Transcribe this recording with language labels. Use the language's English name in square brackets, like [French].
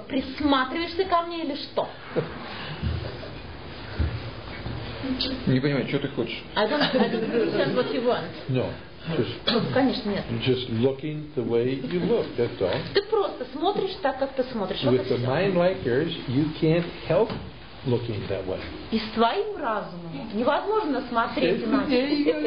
[Russian] Присматриваешься ко мне или что? Не понимаю, что ты хочешь. [English] I don't understand what you want. No. [Russian] Конечно, нет. [English] Just looking the way you look, that's all. [Russian] Ты просто смотришь так, как ты смотришь. [English] With a mind like yours, you can't help looking that way. [Russian] И своим разумом невозможно смотреть иначе.